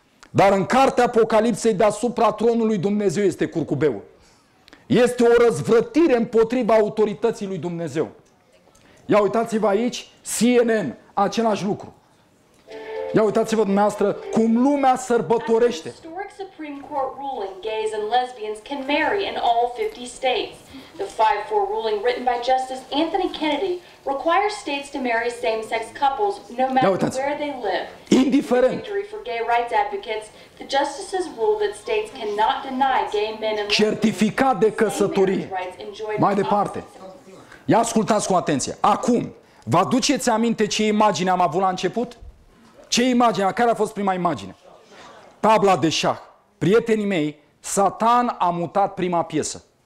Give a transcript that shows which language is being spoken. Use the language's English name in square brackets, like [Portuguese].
[Romanian] Dar în cartea Apocalipsei, deasupra tronului Dumnezeu este curcubeul. Este o răzvrătire împotriva autorității lui Dumnezeu. Ia uitați-vă aici, CNN, același lucru. Ia uitați-vă dumneavoastră cum lumea sărbătorește. [English] After the historic Supreme Court ruling, gays and lesbians can marry in all 50 states. The 5-4 ruling written by Justice Anthony Kennedy require states to marry same-sex couples no matter where they live. [Romanian] Indiferent. [English] Victory for gay rights advocates. The justices rule that states cannot deny gay men and [Romanian] certificat de căsătorie. Mai departe. Ia ascultați cu atenție. Acum, vă aduceți aminte ce imagine am avut la început? Ce imagine? Care a fost prima imagine? Tabla de șah. Prietenii mei, Satan a mutat prima piesă.